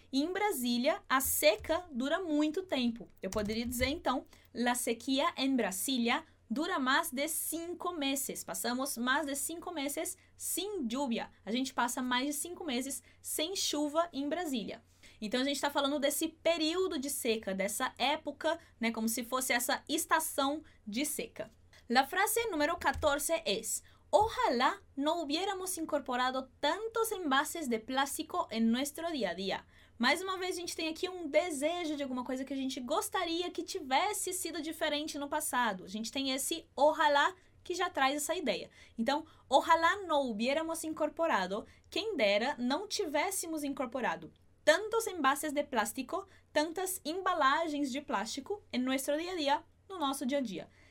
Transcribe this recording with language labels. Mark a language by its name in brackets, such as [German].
[Portuguese] E em Brasília, a seca dura muito tempo. Eu poderia dizer, então, [Spanish] la sequía en Brasília [Portuguese] dura mais de 5 meses. Passamos mais de 5 meses sem lluvia. A gente passa mais de 5 meses sem chuva em Brasília. Então, a gente está falando desse período de seca, dessa época, né, como se fosse essa estação de seca. [Spanish] La frase número 14 es: ojalá no hubiéramos incorporado tantos envases de plástico en nuestro día a día. [Portuguese] Mais uma vez, a gente tem aqui um desejo de alguma coisa que a gente gostaria que tivesse sido diferente no passado. A gente tem esse ojalá que já traz essa ideia. Então, [Spanish] ojalá no hubiéramos incorporado, [Portuguese] quem dera não tivéssemos incorporado [Spanish] tantos envases de plástico, [Portuguese] tantas embalagens de plástico em nosso dia a dia, no nosso dia a dia.